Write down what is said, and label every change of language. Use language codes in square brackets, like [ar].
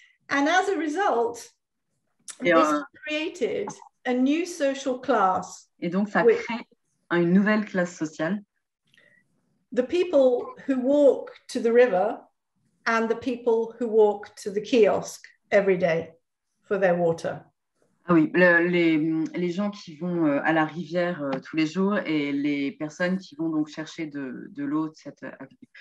[en] And as a result, this created a new social class. [fr] Et donc ça crée une nouvelle classe sociale. [en] The people who walk to the river and the people who walk to the kiosk every day for their water. [fr] Ah oui, les gens qui vont à la rivière tous les jours et les personnes qui vont donc chercher de l'eau de cette avenue.